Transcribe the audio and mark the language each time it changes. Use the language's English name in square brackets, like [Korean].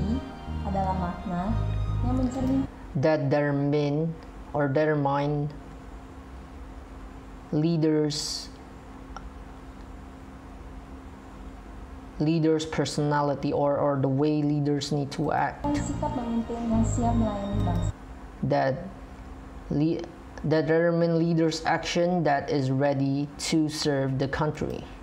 [Indonesian] Tapi adalah makna yang mencerminkan [English] that their mind or their mind leaders personality or the way leaders need to act. [Indonesian] Sikap pemimpin yang siap melayani bangsa. [English] That determine leader's action that is ready to serve the country.